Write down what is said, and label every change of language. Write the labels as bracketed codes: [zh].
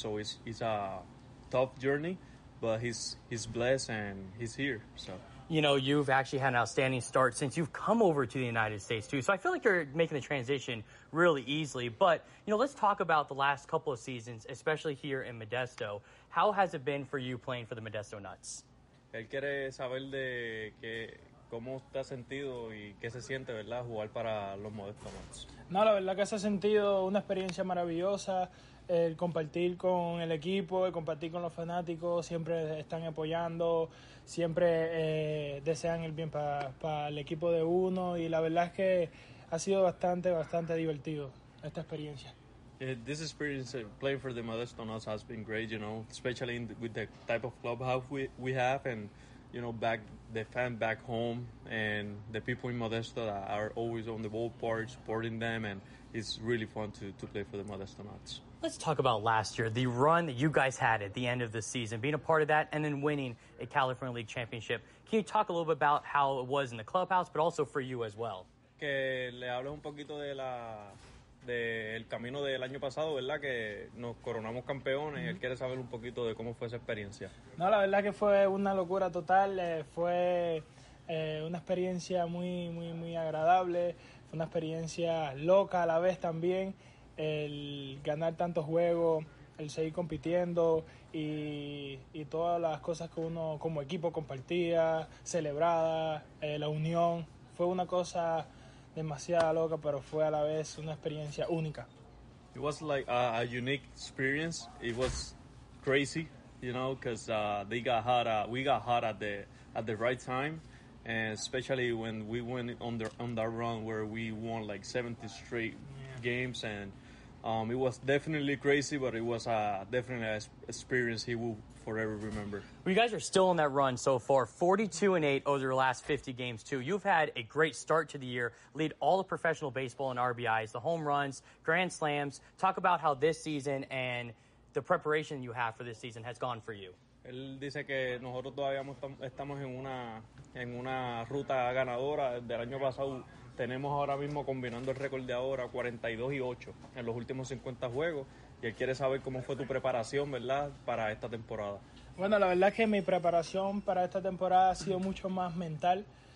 [en] So it's a tough journey, but he's blessed and he's here. So you know, you've actually had an outstanding start since you've come over to the United States, too. So I feel like you're making the transition really easily. But, you know, let's talk about the last couple of seasons, especially here in Modesto. How has it been for you playing for the Modesto Nuts? [es] Él quiere saber de que, cómo te has sentido y qué se siente, ¿verdad?, jugar para los Modesto Nuts. No, la verdad que se ha sentido una experiencia maravillosa. El compartir con el equipo, el compartir con los fanáticos, siempre están apoyando, siempre desean el bien para el equipo de uno, y la verdad es que ha sido bastante, bastante divertido esta experiencia. [en] This experience playing for the Modesto Nuts has been great, you know, especially with the type of clubhouse we have, and you know, back the fan back home and the people in Modesto that are always on the ballpark supporting them, and it's really fun to play for the Modesto Nuts. Let's talk about last year, the run that you guys had at the end of the season, being a part of that and then winning a California League championship. Can you talk a little bit about how it was in the clubhouse, but also for you as well? [es] Que le hables un poquito del camino del año pasado, ¿verdad? Que nos coronamos campeones. Mm-hmm. Él quiere saber un poquito de cómo fue esa experiencia. No, la verdad que fue una locura total. Fue una experiencia muy, muy, muy agradable. Fue una experiencia loca a la vez también. El ganar tantos juegos, el seguir compitiendo y todas las cosas que uno como equipo compartía, celebrada, la unión. Fue una cosa demasiado loca, pero fue a la vez una experiencia única. [en] It was like a unique experience. It was crazy, you know, because we got hot at the right time. And especially when we went on that run where we won like 70 straight games, and it was definitely crazy, but it was definitely an experience he will forever remember. Well, you guys are still on that run so far, 42-8 over your last 50 games, too. You've had a great start to the year, lead all of professional baseball in RBIs, the home runs, grand slams. Talk about how this season and the preparation you have for this season has gone for you. [es] Él dice que nosotros todavía estamos en una ruta ganadora. Desde el año pasado tenemos ahora mismo, combinando el récord de ahora, 42-8 en los últimos 50 juegos. Y él quiere saber cómo fue tu preparación, ¿verdad?, para esta temporada. Bueno, la verdad es que mi preparación para esta temporada ha sido mucho más mental.